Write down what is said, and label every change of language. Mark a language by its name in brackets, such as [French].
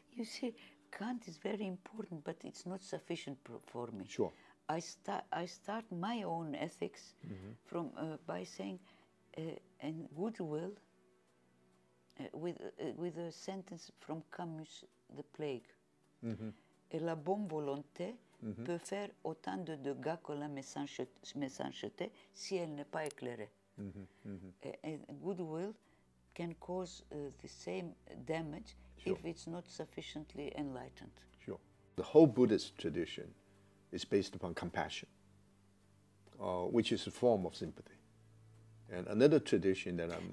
[English] You see, Kant is very important, but it's not sufficient for me. Sure. I start my own ethics from by saying and goodwill with a sentence from Camus, The Plague. [French] Et la bonne volonté peut faire autant de dégâts que la méchanceté si elle n'est pas éclairée. [English] And goodwill can cause the same damage if it's not sufficiently enlightened. Sure. The whole Buddhist tradition is based upon compassion, which is a form of sympathy. And another tradition that I'm...